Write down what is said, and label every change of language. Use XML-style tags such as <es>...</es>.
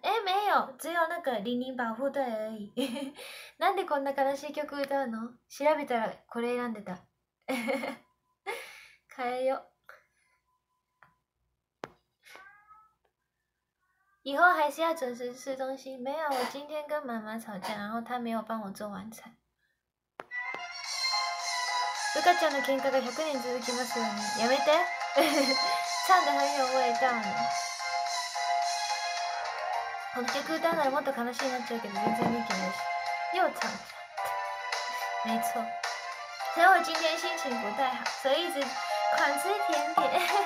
<zh>哎，没有，只有那个零零保护队而已。</zh> <ja>なんでこんな悲しい曲歌うの？調べたらこれ選んでた。変えよ。</ja> <zh>以后还是要准时吃东西。没有，我今天跟妈妈吵架，然后她没有帮我做晚餐。</zh> <ja>瑠伽ちゃんの喧嘩が100年続きますよね。やめて。</ja> <zh>唱得很有味道呢。</zh> <ja>この曲歌うならもっと悲しいなっちゃうけど、全然元気ないし。</ja> <zh>又唱。没错。所以我今天心情不太好，所以一直狂吃甜点。</zh>